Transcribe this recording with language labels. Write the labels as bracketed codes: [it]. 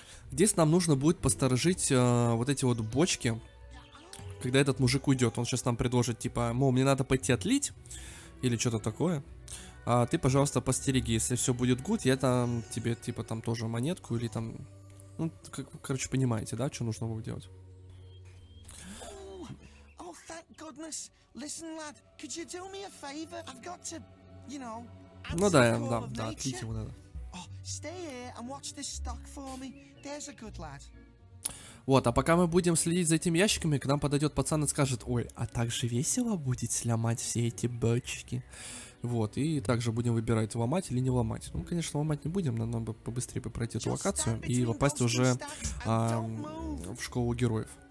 [ru] Здесь нам нужно будет посторожить вот эти вот бочки, когда этот мужик уйдет. Он сейчас нам предложит, типа, мол, мне надо пойти отлить, или что-то такое. А ты, пожалуйста, постереги, если все будет гуд, я там тебе, типа, там тоже монетку или там... Ну, как, короче, понимаете, да, что нужно будет делать. [en] Oh, goodness. Listen, lad, could you do me a favor? I've got to... [ru] Ну да, да, да, отлить его надо. Вот, а пока мы будем следить за этими ящиками, к нам подойдет пацан и скажет: ой, а так же весело будет сломать все эти бочки. Вот, и также будем выбирать, ломать или не ломать. Ну, конечно, ломать не будем, надо бы побыстрее бы пройти эту локацию и попасть уже в школу героев.